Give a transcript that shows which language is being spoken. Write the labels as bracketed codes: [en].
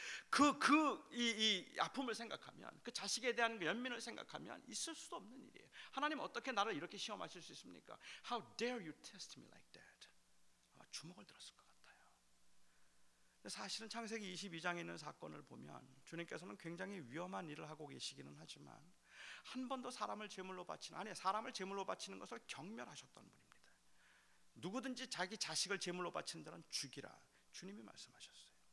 [ko] 그 아픔을 생각하면, 그 자식에 대한 그 연민을 생각하면 있을 수도 없는 일이에요. 하나님 어떻게 나를 이렇게 시험하실 수 있습니까? [en] How dare you test me like that? [ko] 아마 주먹을 들었을 것 같아요. 사실은 창세기 22장에 있는 사건을 보면 주님께서는 굉장히 위험한 일을 하고 계시기는 하지만 한 번도 사람을 제물로 바치는, 아니 사람을 제물로 바치는 것을 경멸하셨던 분입니다. 누구든지 자기 자식을 제물로 바치는 자는 죽이라 주님이 말씀하셨어요.